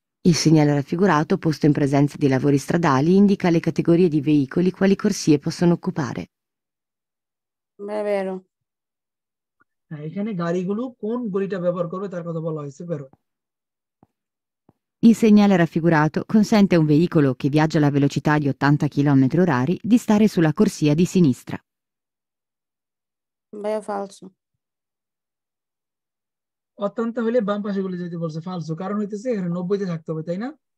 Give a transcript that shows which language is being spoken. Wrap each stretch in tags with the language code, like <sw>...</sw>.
<it>Il segnale raffigurato posto in presenza di lavori stradali indica le categorie di veicoli quali corsie possono occupare. È vero.</it> <bn>এখানে গাড়িগুলো কোন গলিটা ব্যবহার করবে তার কথা বলা হয়েছে, vero?</bn> <it>Il segnale raffigurato consente a un veicolo che viaggia alla velocità di 80 km/h di stare sulla corsia di sinistra. Beh, è falso.</it> <bn>80 হলে বাম পাশে গুলি যেতে বলছে, ফালসো। কারণ হইতেছে এখানে 90 তে থাকতে হবে, তাই না?</bn>